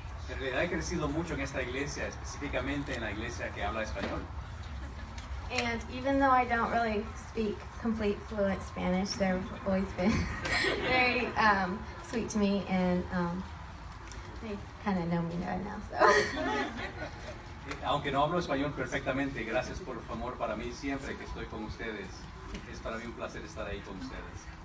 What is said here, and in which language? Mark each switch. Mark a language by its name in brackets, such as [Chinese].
[Spanish] En realidad he crecido mucho en esta iglesia, específicamente en la iglesia que habla español. [English] And even though I don't really speak complete fluent Spanish, they've always been very sweet to me, and they kind of know me right now. So. [Spanish] Aunque no hablo español perfectamente, gracias por su amor para mí siempre que estoy con ustedes. Es para mí un placer estar ahí con ustedes.